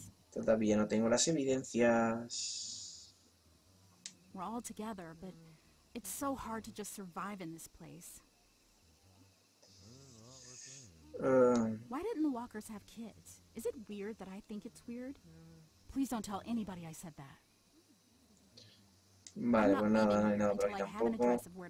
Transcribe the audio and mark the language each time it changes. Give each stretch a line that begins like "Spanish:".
Spanish: Todavía no tengo las evidencias.
English: We're all together, but it's so hard to just survive in this place. Why didn't the Walkers have kids? Is it weird that I think it's weird? Please don't tell anybody I said that.
Spanish: Vale, pues nada, no hay nada por aquí tampoco.